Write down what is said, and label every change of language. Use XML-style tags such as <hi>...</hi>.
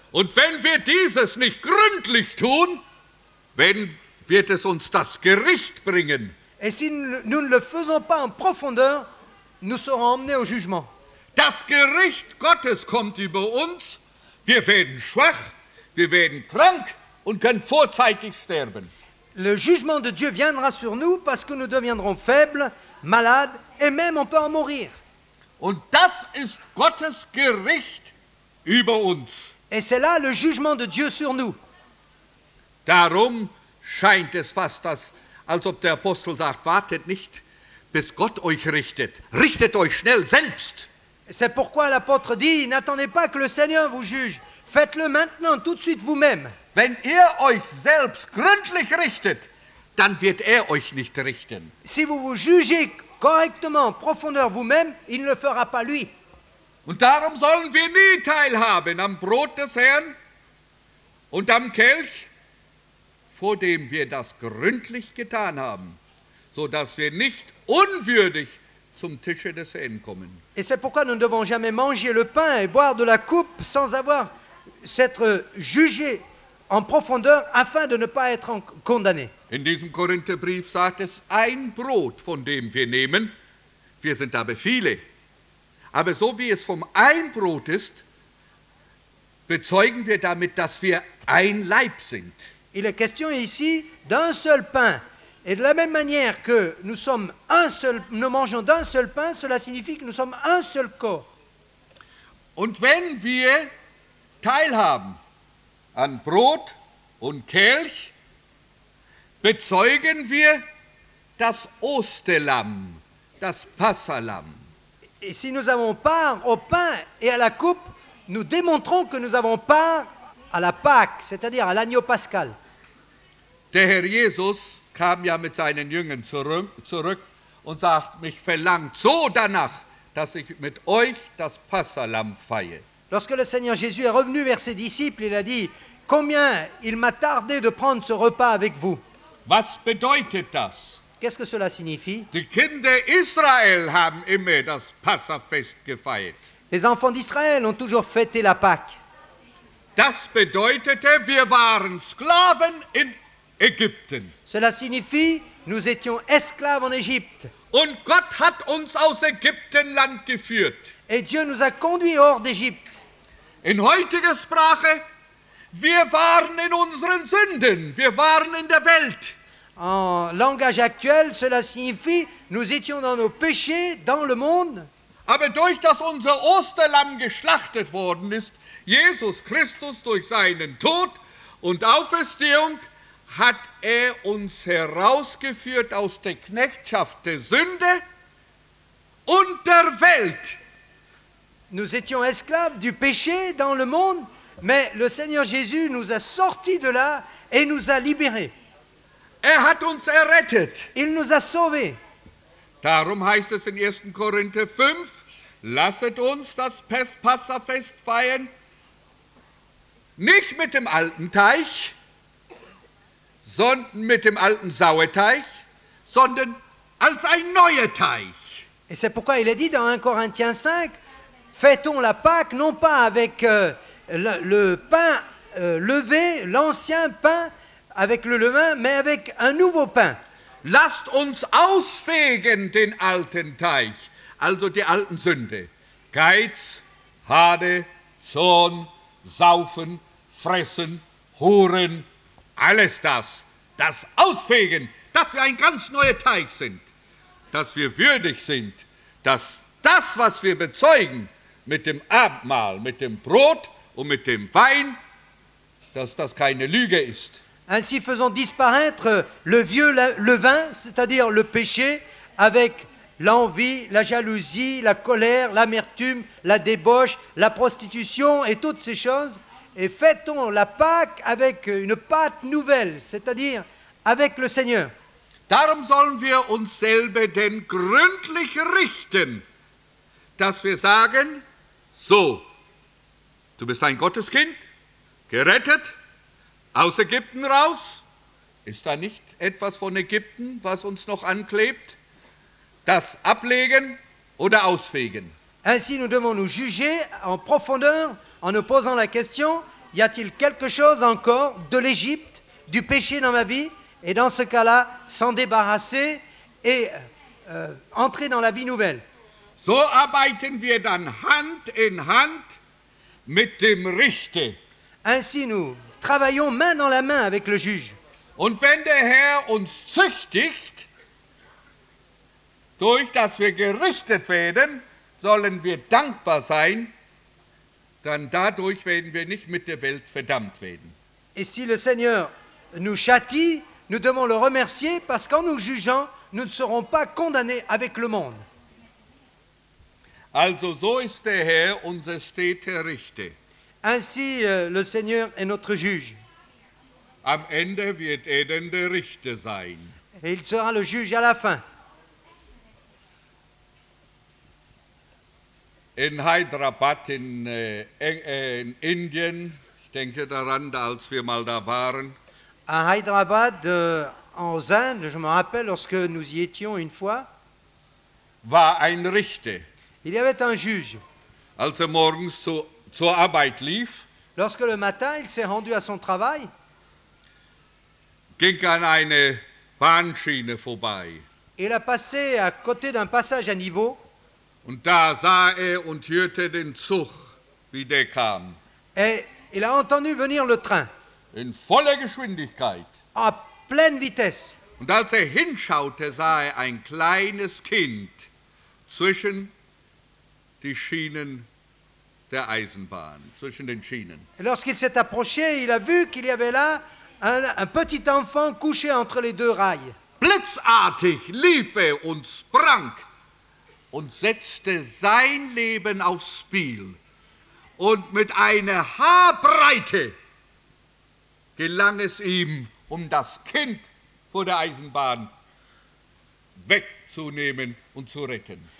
<de>Und wenn wir dieses nicht gründlich tun, wenn wird es uns das Gericht bringen.</de> <fr>Et si nous ne le faisons pas en profondeur, nous serons emmenés au jugement.</fr> <de>Das Gericht Gottes kommt über uns. Wir werden schwach, wir werden krank und können vorzeitig sterben.</de> <fr>Le jugement de Dieu viendra sur nous parce que nous deviendrons faibles, malades et même on peut en mourir.</fr> <de>Und das ist Gottes Gericht über uns.</de> <fr>Et c'est là le jugement de Dieu sur nous.</fr> <de>Darum scheint es fast, als ob der Apostel sagt, wartet nicht, bis Gott euch richtet. Richtet euch schnell selbst.</de> <fr>C'est pourquoi l'apôtre dit, n'attendez pas que le Seigneur vous juge. Faites-le maintenant, tout de suite vous-même.</fr> <de>Wenn ihr euch selbst gründlich richtet, dann wird er euch nicht richten.</de> <fr>Si vous vous jugez correctement, en profondeur vous-même, il ne le fera pas lui.</fr> <de>Und darum sollen wir nie teilhaben am Brot des Herrn und am Kelch. vor dem wir das gründlich getan haben, so dass wir nicht unwürdig zum Tische des Herrn kommen.</de> <fr>Et c'est pourquoi nous ne devons jamais manger le pain et boire de la coupe sans avoir s'être jugé en profondeur afin de ne pas être condamné.</fr> <de>In diesem Korintherbrief sagt es, ein Brot von dem wir nehmen, wir sind aber viele. Aber so wie es vom ein Brot ist, bezeugen wir damit, dass wir ein Leib sind.</de> <fr>Il est question ici d'un seul pain. Et de la même manière que nous sommes un seul, nous mangeons d'un seul pain, cela signifie que nous sommes un seul corps.</fr> <de>Und wenn wir teilhaben an Brot und Kelch, bezeugen wir das Osterlamm, das Passalamm.</de> <fr>Et si nous avons part au pain et à la coupe, nous démontrons que nous avons part à la Pâque, c'est-à-dire à l'agneau pascal.</fr> <de>Der Herr Jesus kam ja mit seinen Jüngern zurück und sagt, mich verlangt so danach, dass ich mit euch das Passalamm feiere.</de> <fr>Lorsque le Seigneur Jésus est revenu vers ses disciples, il a dit, combien il m'a tardé de prendre ce repas avec vous.</fr> <de>Was bedeutet das?</de> <fr>Qu'est-ce que cela signifie?</fr> <de>Die Kinder Israel haben immer das Passafest gefeiert.</de> <fr>Les enfants d'Israël ont toujours fêté la Pâque.</fr> <de>Das bedeutete, wir waren Sklaven in Ägypten.</de> <fr>Cela signifie, nous étions esclaves en Égypte.</fr> <de>Und Gott hat uns aus Ägyptenland geführt.</de> <fr>Et Dieu nous a conduits hors d'Égypte.</fr> <de>In heutiger Sprache, wir waren in unseren Sünden, wir waren in der Welt.</de> <fr>En langage actuel, cela signifie, nous étions dans nos péchés, dans le monde.</fr> <de>Aber durch das unser Osterlamm geschlachtet worden ist, Jesus Christus durch seinen Tod und Auferstehung, hat uns herausgeführt aus der Knechtschaft der Sünde und der Welt.</de> <fr>Nous étions esclaves du péché dans le monde, mais le Seigneur Jésus nous a sortis de là et nous a libérés.</fr> <de>Hat uns errettet.</de> <fr>Il nous a sauvés.</fr> <de>Darum heißt es in 1. Korinther 5, lasset uns das Passafest feiern, nicht mit dem alten Teich, sondern mit dem alten Sauerteig, sondern als ein neuer Teich.</de> <fr>Et c'est pourquoi il est dit dans 1 Corinthiens 5, fêtons la Pâque non pas avec le pain levé, l'ancien pain avec le levain, mais avec un nouveau pain.</fr> <de>Lasst uns ausfegen den alten Teich, also die alten Sünde. Geiz, Hade, Zorn, Saufen, Fressen, Huren, alles das, das Ausfegen, dass wir ein ganz neuer Teig sind, dass wir würdig sind, dass das, was wir bezeugen mit dem Abendmahl, mit dem Brot und mit dem Wein, dass das keine Lüge ist.</de> <fr>Ainsi faisons disparaître le vieux levain, c'est-à-dire le péché, avec l'envie, la jalousie, la colère, l'amertume, la débauche, la prostitution et toutes ces choses. Et fêtons la Pâque avec une pâte nouvelle, c'est-à-dire avec le Seigneur.</fr> <de>Darum sollen wir uns selber denn gründlich richten, dass wir sagen, so, du bist ein Gotteskind, gerettet, aus Ägypten raus. Ist da nicht etwas von Ägypten, was uns noch anklebt? Das ablegen oder ausfegen?</de> <fr>Ainsi nous devons nous juger en profondeur, en nous posant la question, y a-t-il quelque chose encore de l'Égypte, du péché dans ma vie, et dans ce cas-là, s'en débarrasser et entrer dans la vie nouvelle.</fr> <de>So arbeiten wir dann Hand in Hand mit dem Richter.</de> <fr>Ainsi nous travaillons main dans la main avec le juge.</fr> <de>Und wenn der Herr uns züchtigt, durch das wir gerichtet werden, sollen wir dankbar sein, dann dadurch werden wir nicht mit der Welt verdammt werden.</de> <fr>Et si le Seigneur nous châtie, nous devons le remercier, parce qu'en nous jugeant, nous ne serons pas condamnés avec le monde.</fr> <de>Also so ist der Herr unser steter Richter.</de> <fr>Ainsi le Seigneur est notre juge.</fr> <de>Am Ende wird denn der Richter sein.</de> <fr>Et il sera le juge à la fin.</fr> <de>In Hyderabad, in Indien, ich denke daran, als wir mal da waren.</de> <fr>À Hyderabad, aux Indes, je me rappelle, lorsque nous y étions une fois,</fr> <de>war ein Richter.</de> <fr>Il y avait un juge.</fr> <de>Als morgens zur Arbeit lief,</de> <fr>lorsque le matin il s'est rendu à son travail,</fr> <de>ging an eine Bahnschiene vorbei.</de> <fr>Il a passé à côté d'un passage à niveau.</fr> <de>Und da sah und hörte den Zug, wie der kam.</de> <fr>Et il a entendu venir le train.</fr> <de>In voller Geschwindigkeit.</de> <fr>À pleine vitesse.</fr> <de>Und als hinschaute, sah ein kleines Kind zwischen die Schienen der Eisenbahn, zwischen den Schienen.</de> <fr>Et lorsqu'il s'est approché, il a vu qu'il y avait là un petit enfant couché entre les deux rails.</fr> <de>Blitzartig lief und sprang und setzte sein Leben aufs Spiel. Und mit einer Haarbreite gelang es ihm, das Kind vor der Eisenbahn wegzunehmen und zu retten.</de>